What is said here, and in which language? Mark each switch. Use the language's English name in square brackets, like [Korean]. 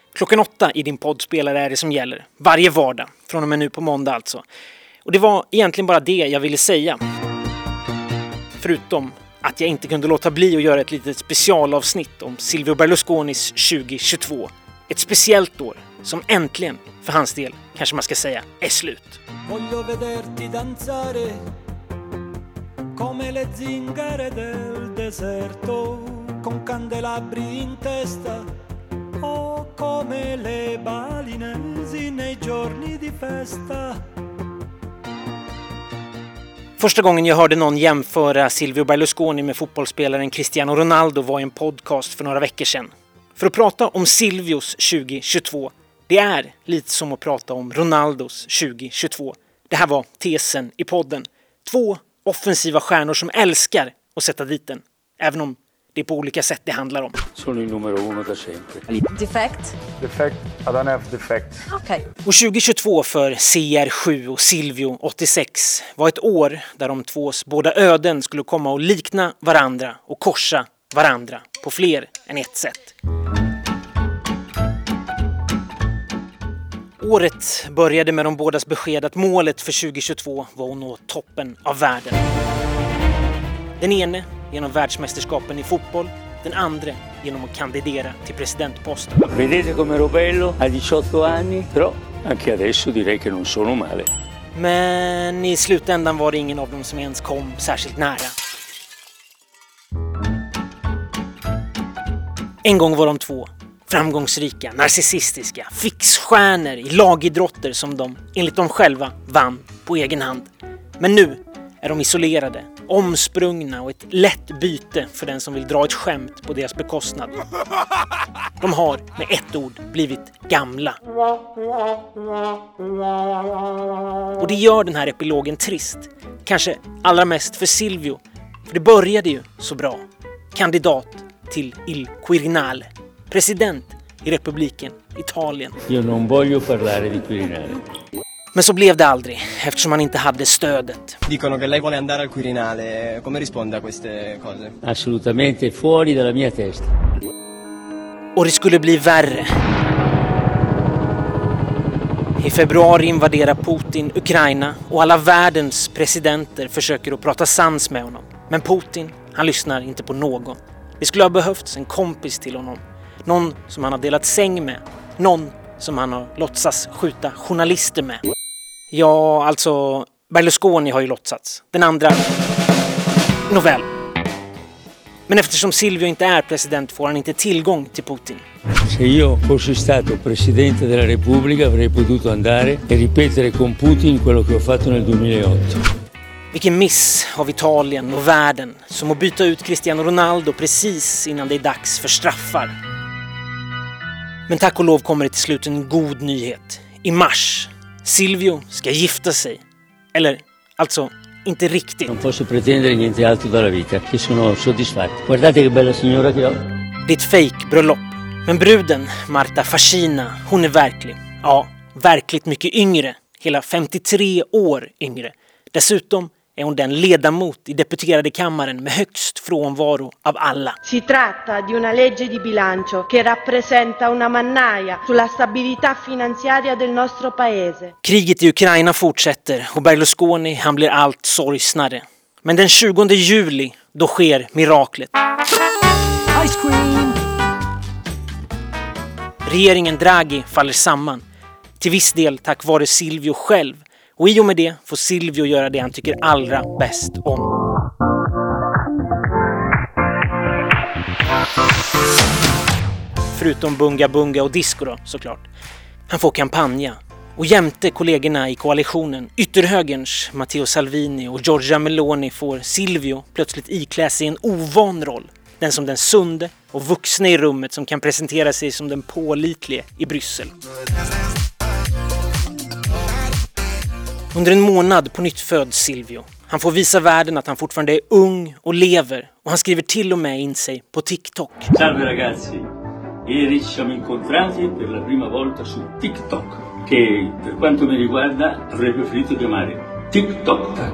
[Swedish] Klockan 8 i din poddspelare är det som gäller, varje vardag, från och med nu på måndag alltså. Och det var egentligen bara det jag ville säga. Förutom att jag inte kunde låta bli att göra ett litet specialavsnitt om Silvio Berlusconis 2022. Ett speciellt år som äntligen, för hans del, kanske man ska säga, är slut. [Italian] Voglio vederti danzare come le zingare del deserto con candelabri in testa o come le balinesi nei giorni di festa. [Swedish] Första gången jag hörde någon jämföra Silvio Berlusconi med fotbollsspelaren Cristiano Ronaldo var i en podcast för några veckor sedan. För att prata om Silvios 2022, det är lite som att prata om Ronaldos 2022. Det här var tesen i podden. Två offensiva stjärnor som älskar att sätta dit den, även om det är på olika sätt det handlar om. [Italian] Sono il numero uno da sempre. [English] Defect? Defect. I don't have defect. Okay. [Swedish] Och 2022 för CR7 och Silvio 86 var ett år där de tvås båda öden skulle komma och likna varandra och korsa varandra på fler än ett sätt. Året började med de bådas besked att målet för 2022 var att nå toppen av världen. Den ene genom världsmästerskapen i fotboll, den andra genom att kandidera till presidentposten. [Italian] Vedete come ero bello a 18 anni, però anche adesso direi che non sono male. [Swedish] Men i slutändan var det ingen av dem som ens kom särskilt nära. En gång var de två framgångsrika, narcissistiska, fixstjärnor i lagidrotter som de, enligt dem själva, vann på egen hand. Men nu är de isolerade, omsprungna och ett lätt byte för den som vill dra ett skämt på deras bekostnad. De har, med ett ord, blivit gamla. Och det gör den här epilogen trist. Kanske allra mest för Silvio. För det började ju så bra. Kandidat till Il Quirinale. President i republiken Italien. [Italian] Io non voglio parlare di Quirinale. [Swedish] Men så blev det aldrig, eftersom han inte hade stödet. [Italian] Dicono che lei vuole andare al Quirinale. Come risponde a queste cose? Assolutamente fuori dalla mia testa. [Swedish] Och det skulle bli värre. I februari invaderar Putin Ukraina och alla världens presidenter försöker att prata sans med honom. Men Putin, han lyssnar inte på någon. Det skulle ha behövts en kompis till honom. Någon som han har delat säng med. Någon som han har låtsats skjuta journalister med. Ja, alltså, Berlusconi har ju låtsats. Den andra, novell. Men eftersom Silvio inte är president får han inte tillgång till Putin. [Italian] Se io fossi stato presidente della Repubblica avrei potuto andare e ripetere con Putin quello che ho fatto nel 2008. [Swedish] Vilken miss av Italien och världen som att byta ut Cristiano Ronaldo precis innan det är dags för straffar. Men tack och lov kommer det till slut en god nyhet. I mars, Silvio ska gifta sig. Eller, alltså, inte riktigt. [Italian] Non posso pretendere niente altro dalla vita, che sono soddisfatto. Guardate che bella signora che ho. [Swedish] Det är ett fejkbröllop. Men bruden, Marta Fascina, hon är verklig. Ja, verkligt mycket yngre. Hela 53 år yngre. Dessutom är hon den ledamot i deputerade kammaren med högst frånvaro av alla. [Italian] Si tratta di una legge di bilancio che rappresenta una mannaia sulla stabilità finanziaria del nostro paese. [Swedish] Kriget i Ukraina fortsätter och Berlusconi, han blir allt sorgsnare. Men den 20 juli, då sker miraklet. [English] Ice cream. [Swedish] Regeringen Draghi faller samman. Till viss del tack vare Silvio själv. Och i och med det får Silvio göra det han tycker allra bäst om. Förutom bunga bunga och disco då, såklart. Han får kampanja. Och jämte kollegorna i koalitionen, ytterhögerns Matteo Salvini och Giorgia Meloni, får Silvio plötsligt iklä sig en ovan roll. Den som den sunde och vuxna i rummet som kan presentera sig som den pålitliga i Bryssel. Under en månad på nytt föds Silvio. Han får visa världen att han fortfarande är ung och lever och han skriver till och med in sig på TikTok. [Italian] Salve ragazzi, ieri ci siamo incontrati per la prima volta su TikTok, che per quanto mi riguarda avrei preferito chiamare TikTok.